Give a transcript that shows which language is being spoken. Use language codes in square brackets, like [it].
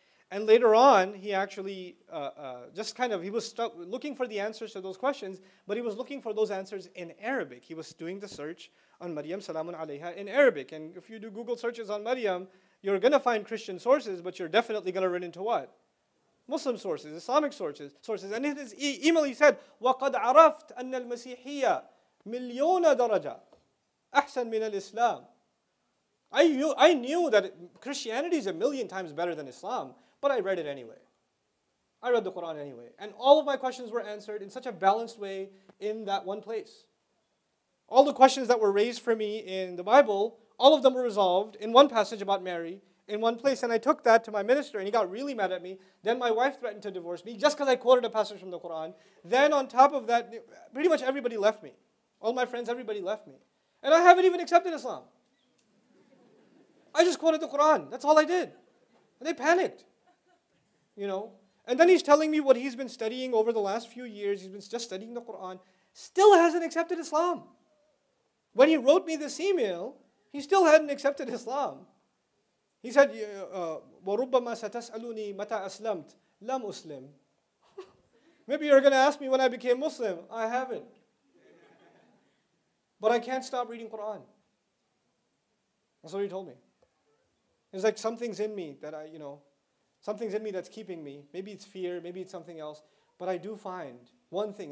[en] And later on, he actually he was stuck looking for the answers to those questions, but he was looking for those answers in Arabic. He was doing the search on Maryam, salamun alayha, in Arabic. And if you do Google searches on Maryam, you're going to find Christian sources, but you're definitely going to run into what? Muslim sources, Islamic sources. And in his email, he said, [ar] وَقَدْ عَرَفْتْ أَنَّ الْمَسِيحِيَّةِ مِلْيُونَ دَرَجَةً أَحْسَن مِنَ الْإِسْلَامِ. [en] I knew that Christianity is a million times better than Islam, but I read it anyway. I read the Quran anyway. And all of my questions were answered in such a balanced way in that one place. All the questions that were raised for me in the Bible, all of them were resolved in one passage about Mary, in one place, and I took that to my minister, and he got really mad at me. Then my wife threatened to divorce me just because I quoted a passage from the Quran. Then on top of that, pretty much everybody left me. All my friends, everybody left me. And I haven't even accepted Islam. I just quoted the Quran. That's all I did. And they panicked. You know? And then he's telling me what he's been studying over the last few years. He's been just studying the Quran. Still hasn't accepted Islam. When he wrote me this email, he still hadn't accepted Islam. He said, [ar] وَرُبَّمَا سَتَسْأَلُونِي مَتَى أَسْلَمْتْ لَمْ أُسْلِمْ. [en] Maybe you're going to ask me when I became Muslim. I haven't. But I can't stop reading Quran. That's what he told me. It's like something's in me that something's in me that's keeping me. Maybe it's fear, maybe it's something else. But I do find one thing.